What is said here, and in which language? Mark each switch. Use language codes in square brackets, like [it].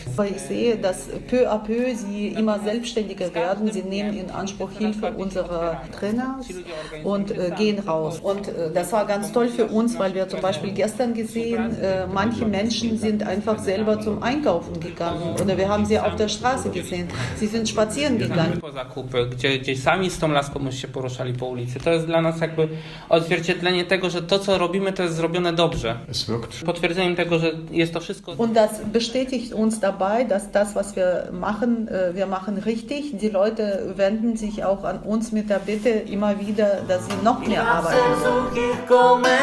[de] Weil ich sehe, dass [fr] peu à peu [de] sie immer selbstständiger werden, sie nehmen in Anspruch Hilfe unserer Trainer und gehen raus. Und das war ganz toll für uns, weil wir zum Beispiel gestern gesehen, manche Menschen sind einfach selber zum Einkaufen gegangen oder wir haben sie auf der Straße gesehen. Sie sind spazieren gegangen. [pl] Gdzieś sami z tą laską się poruszali po ulicy. To jest dla nas jakby odzwierciedlenie tego, że to, co robimy, to jest zrobione dobrze. [de] Es wirkt. [pl] Potwierdzeniem tego, że jest to wszystko. [de] Und das bestätigt uns dabei, dass das, was wir machen richtig. Die Leute wenden sich auch an uns mit der Bitte immer wieder, dass sie noch mehr arbeiten.